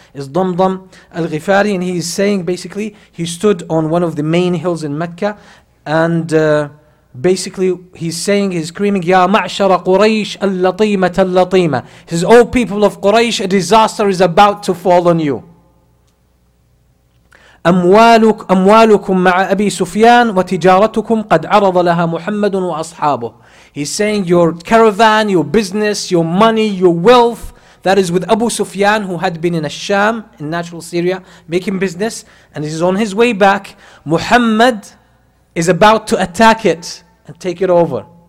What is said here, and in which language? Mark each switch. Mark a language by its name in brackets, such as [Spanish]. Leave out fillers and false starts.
[English] It's Damdam al-Ghifari. And he's saying, basically, he stood on one of the main hills in Mecca. And basically, he's saying, he's screaming, [Arabic] Ya ma'shara Quraysh al-Latima tal-Latima. [English] He says, oh people of Quraysh, a disaster is about to fall on you. [Arabic] أموالكم مع أبي سفيان وتجارتكم قد عرض لها محمد وأصحابه. [English] He's saying your caravan, your business, your money, your wealth, that is with Abu Sufyan, who had been in Al-Sham, in natural Syria, making business, and he's on his way back. Muhammad is about to attack it and take it over.